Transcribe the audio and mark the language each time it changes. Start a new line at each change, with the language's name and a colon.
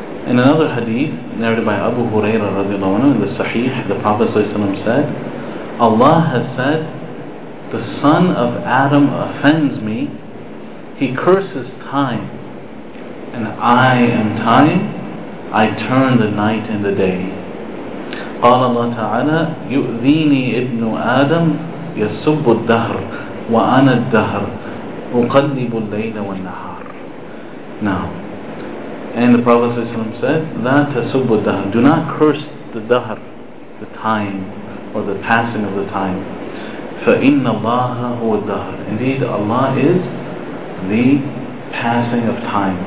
English: In another hadith, narrated by Abu Huraira radiallahu anhu, in the Sahih, the Prophet said, Allah has said, the son of Adam offends me, he curses time, and I am time, I turn the night and the day.
Arabic: قال الله تعالى, يؤذيني ابن آدم يسب الدهر وأنا الدهر أقلب الليل والنهار.
English: Now, and the Prophet ﷺ said,
Arabic: لا تسب الدهر,
English: do not curse the dahr, the time, or the passing of the time.
Arabic: فَإِنَّ اللَّهَ هُوَ الدَّهْرِ.
English: Indeed, Allah is the passing of time.